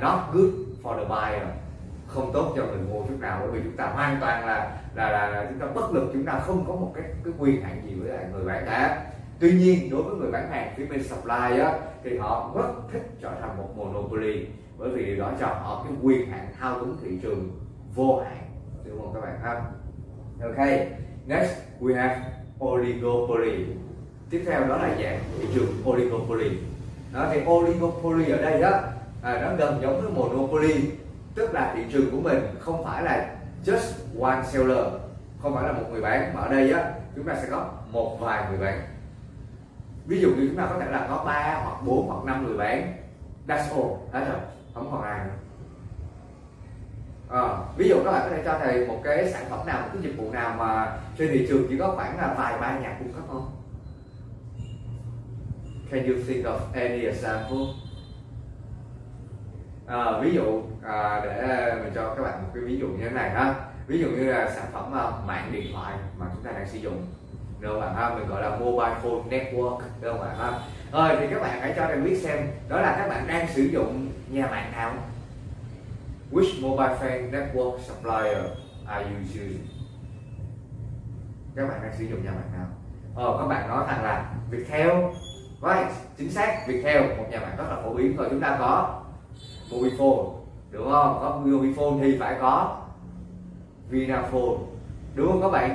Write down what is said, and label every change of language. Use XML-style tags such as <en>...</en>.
<en>Not good for the buyer,</en> <vi>không tốt cho người mua chút nào, bởi vì chúng ta hoàn toàn là chúng ta bất lực, chúng ta không có một cái quyền hạn gì với lại người bán cả. Tuy nhiên đối với người bán hàng phía bên supply á thì họ rất thích trở thành một monopoly, bởi vì điều đó cho họ cái quyền hạn thao túng thị trường vô hạn, đúng không các bạn ha?</vi> <en>Ok, next we have oligopoly.</en> <vi>Tiếp theo đó là dạng thị trường oligopoly. Đó thì oligopoly ở đây á, nó gần giống với monopoly, tức là thị trường của mình không phải là</vi> <en>just one seller,</en> <vi>không phải là một người bán, mà ở đây á chúng ta sẽ có một vài người bán. Ví dụ như chúng ta có thể là có 3 hoặc 4 hoặc 5 người bán,</vi> <en>that's all,</en> <vi>hết rồi, không còn ai nữa. À, ví dụ các bạn có thể cho thầy một cái sản phẩm nào, một cái dịch vụ nào mà trên thị trường chỉ có khoảng là vài ba nhà cung cấp không?</vi> <en>Can you think of any example?</en> <vi>À, ví dụ để mình cho các bạn một cái ví dụ như thế này ha. Ví dụ như là sản phẩm mạng điện thoại mà chúng ta đang sử dụng, được không ạ? Mình gọi là mobile phone network, được không ạ? Rồi thì các bạn hãy cho em biết xem đó là các bạn đang sử dụng nhà mạng nào.</vi> <en>Which mobile phone network supplier are you using?</en> <vi>Các bạn đang sử dụng nhà mạng nào? Các bạn nói thẳng là Viettel. Right, chính xác, Viettel, một nhà mạng rất là phổ biến. Rồi chúng ta có Mobifone, đúng không? Có Mobifone thì phải có Vinaphone, đúng không các bạn?</vi>